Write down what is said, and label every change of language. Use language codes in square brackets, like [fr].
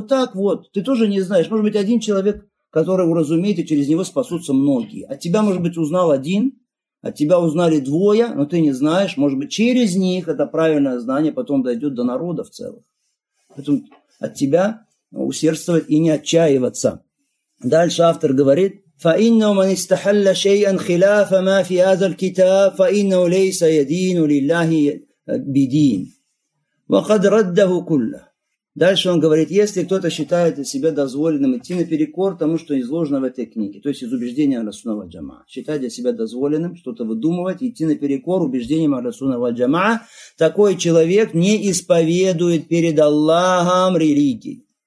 [ru] Вот так вот, ты тоже не знаешь, может быть, 1 человек, который уразумеет, и через него спасутся многие. От тебя, может быть, узнал 1, от тебя узнали 2, но ты не знаешь, может быть, через них это правильное знание потом дойдет до народа в целом. Поэтому от тебя усердствовать и не отчаиваться. Дальше автор говорит, [ar] فَإِنَّهُ مَنْ إِسْتَحَلَّ شَيْئًا خِلَافَ مَا فِي هَذَا الْكِتَابِ فَإِنَّهُ لَيْسَ يَدِينُ لِلَّهِ بِدِينِ وَقَدْ رَدَّهُ كُلَّهُ. [ru] Дальше он говорит, если кто-то считает себя дозволенным идти наперекор тому, что изложено в этой книге, то есть из убеждения Ахля Сунна Валь Джамаа, считает для себя дозволенным что-то выдумывать, идти наперекор убеждениям Ахля Сунна Валь Джамаа, такой человек не исповедует перед Аллахом религии.